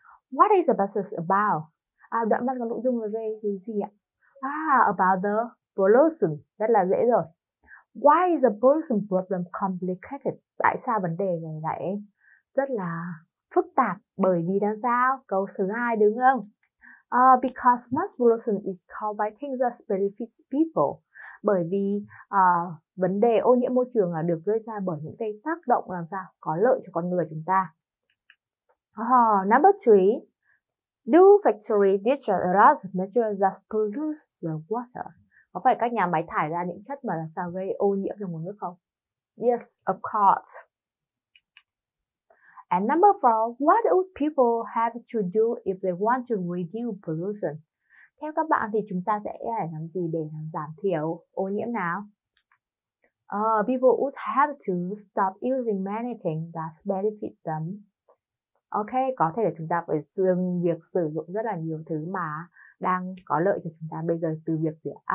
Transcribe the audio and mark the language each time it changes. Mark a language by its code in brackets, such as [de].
[en] What is the passage about? [vi] Đoạn văn có nội dung về gì ạ? [en] About the pollution. [vi] Rất là dễ rồi. [en] Why is the pollution problem complicated? [vi] Tại sao vấn đề này lại rất là phức tạp? Bởi vì làm sao? Câu số 2 đúng không? [en] Because mass pollution is caused by things that benefits people. [vi] Bởi vì vấn đề ô nhiễm môi trường là được gây ra bởi những cái tác động làm sao có lợi cho con người chúng ta. [en] Number 3. Do factory discharge a lot of material that pollutes the water? [vi] Có phải các nhà máy thải ra những chất mà làm sao gây ô nhiễm cho nguồn nước không? [en] Yes, of course. And number 4, what would people have to do if they want to reduce pollution? [vi] Theo các bạn thì chúng ta sẽ phải làm gì để giảm thiểu ô nhiễm nào? [en] People would have to stop using many things that benefit them. [vi] Ok, có thể là chúng ta phải dừng việc sử dụng rất là nhiều thứ mà đang có lợi cho chúng ta bây giờ, từ việc gì?